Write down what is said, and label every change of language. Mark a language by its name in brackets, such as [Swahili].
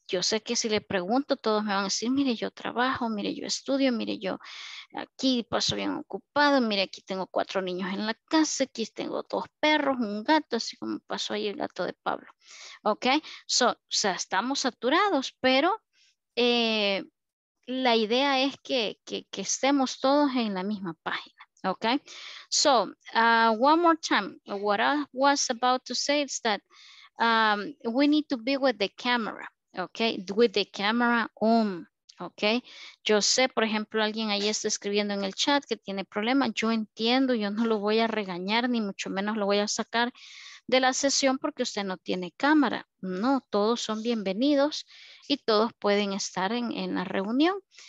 [Spanish] yo sé que si le pregunto, todos me van a decir, mire, yo trabajo, mire, yo estudio, mire, yo aquí paso bien ocupado, mire, aquí tengo 4 niños en la casa, aquí tengo 2 perros, un gato, así como pasó ahí el gato de Pablo. ¿Ok? So, o sea, estamos saturados, pero la idea es que estemos todos en la misma página. ¿Ok? [English] So, one more time, what I was about to say is that we need to be with the camera. Okay, with the camera on. [Spanish] Okay, yo sé, por ejemplo, alguien ahí está escribiendo en el chat que tiene problemas. Yo entiendo, yo no lo voy a regañar, ni mucho menos lo voy a sacar de la sesión porque usted no tiene cámara. No, todos son bienvenidos y todos pueden estar en la reunión.